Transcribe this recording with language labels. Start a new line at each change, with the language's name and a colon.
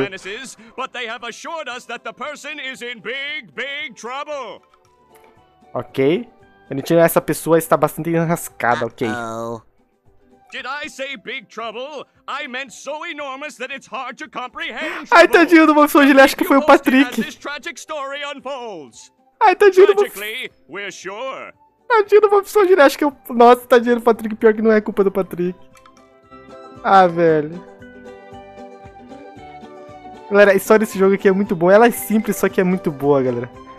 English: Menaces, but they have assured us that the person is in big, big trouble.
Portuguese: Ok. Bonitinho, essa pessoa está bastante enrascada, ok. Uh-oh.
English: Did I say big trouble? I meant so enormous that it's hard to comprehend.
Portuguese: Ai, tadinho do Bob Esponja, ele acha que foi o Patrick.
English: This tragic story unfolds.
Portuguese: Ai, tadinho do Bob
English: Esponja. We're sure.
Portuguese: Tadinho do Bob Esponja, ele acha que eu... Nossa, tadinho do Patrick, pior que não é culpa do Patrick. Ah, velho. Galera, a história desse jogo aqui é muito boa. Ela é simples, só que é muito boa, galera.